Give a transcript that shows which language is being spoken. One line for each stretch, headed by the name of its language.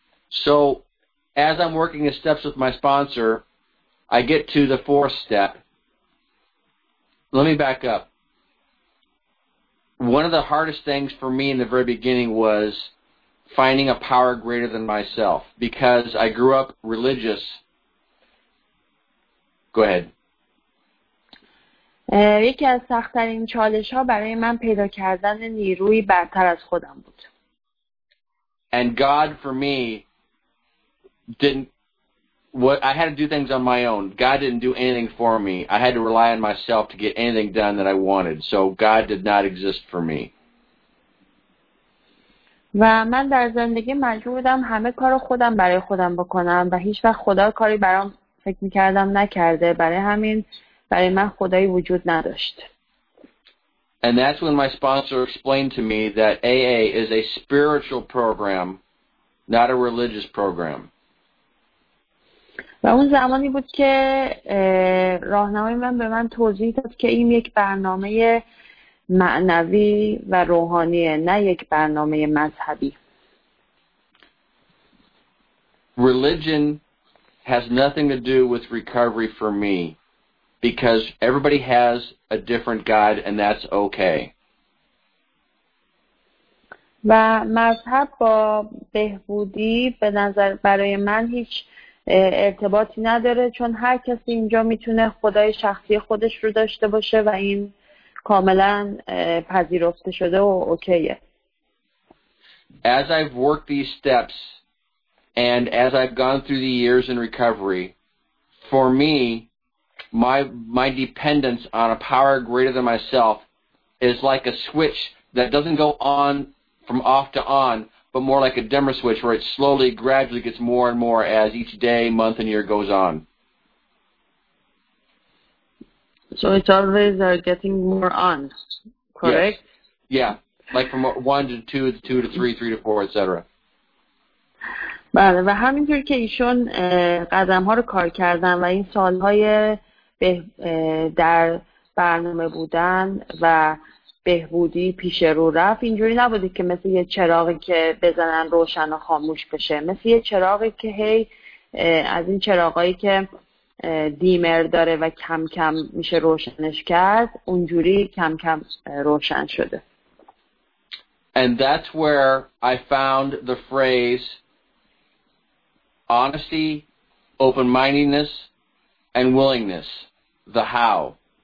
English: So as I'm working the steps with my sponsor, I get to the fourth step. Let me back up. One of the hardest things for me in the very beginning was finding a power greater than myself because I grew up religious. Go ahead.
Persian: یکی از سخت‌ترین چالش‌ها برای من پیدا کردن نیروی برتر از خودم بود.
English: And God for me didn't what I had to do things on my own. God didn't do anything for me. I had to rely on myself to get anything done that I wanted. So God did not exist for me.
Persian: و من در زندگی مجبور بودم همه کارو خودم برای خودم بکنم و هیچ وقت خدا کاری برام فکر میکردم نکرده برای همین برای من خدایی وجود نداشت.
English: And that's when my sponsor explained to me that AA is a spiritual program, not a religious program.
Persian: و اون زمانی بود که راهنمای من به من توضیح داد که این یک برنامه معنوی و روحانیه نه یک برنامه مذهبی.
English: Religion has nothing to do with recovery for me because everybody has a different God and that's okay.
Persian: و مذهب با بهبودی به نظر برای من هیچ ارتباطی نداره چون هر کسی اینجا میتونه خدای شخصی خودش رو داشته باشه و این کاملا پذیرفته شده و اوکیه.
English: As I've worked these steps and as I've gone through the years in recovery, for me, my dependence on a power greater than myself is like a switch that doesn't go on from off to on, but more like a dimmer switch where it slowly, gradually gets more and more as each day, month, and year goes on. So it's always getting more on, correct? Yes. Yeah, like from 1 to 2, 2 to 3, 3 to 4, etc.
Persian: بله و همینطور که ایشون قدم‌ها رو کار کردن و این سال‌های در برنامه بودن و بهبودی پیش رو رفت اینجوری نبوده که مثل یه چراغی که بزنن روشن و خاموش بشه مثل یه چراغی که هی از این چراغایی که دیمر داره و کم کم میشه روشنش کرد اونجوری کم کم روشن شده.
English: And that's where I found the phrase honesty, open-mindedness and willingness, the how.